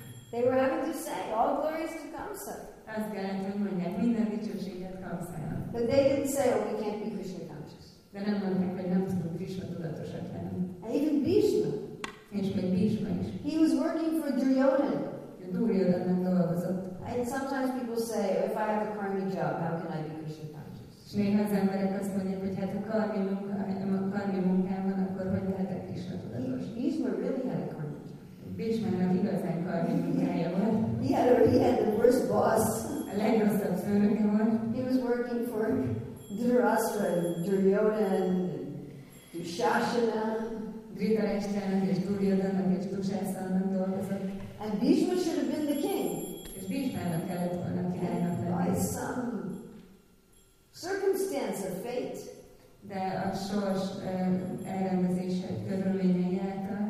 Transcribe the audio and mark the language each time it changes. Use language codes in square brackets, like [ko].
[en] They were having to say, all glories to Kamsa. [hu] Azt kellett, hogy mondják, minden dicsőséget Kamsának. [en] But they didn't say, oh, we can't be Krishna conscious. [hu] De nem mondták, hogy nem tudunk Krishna tudatosak lenni. [en] And even Bhishma. [hu] És még Bhishma is. [en] He was working for Duryodhana. [hu] Duryodhana dolgozott. [en] And sometimes people say, if I have a karmic job, how can I be Krishna conscious? [hu] És néha az emberek azt mondják, hogy hát a karmi munkám, van, akkor hogy lehetek Krishna tudatos? [en] Bhishma really had a karmic. [hu] Bhishmának igazán karmi munkája volt. [en] He had the worst boss. [hu] A legrosszabb főnöke volt. [en] He was working for Dhritarashtra and Duryodhana and Dushasana. [hu] Dhritarashtrának és Duryodhanának és Dushasanának dolgozott. [en] And Bhishma should have been the king. [hu] És Bhishmának kellett volna királynak lenni. [en] By some circumstance of fate. [hu] De a sors elrendezése körülményei által.